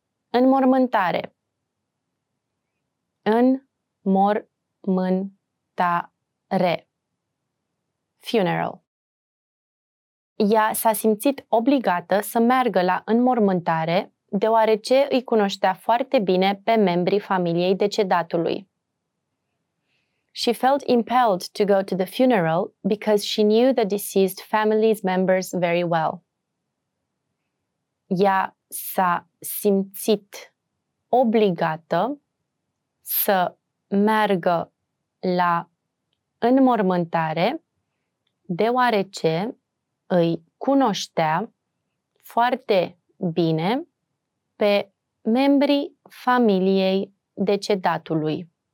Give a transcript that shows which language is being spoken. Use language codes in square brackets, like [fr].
[ro] Înmormântare. Înmormântare. [en] Funeral. [ro] Ea s-a simțit obligată să meargă la înmormântare deoarece îi cunoștea foarte bine pe membrii familiei decedatului. [en] She felt impelled to go to the funeral because she knew the deceased family's members very well. [ro] Ja sa simcit obligată să merg la înmormântare deoarece îi cunoștea foarte bine pe membrii familiei decedatului.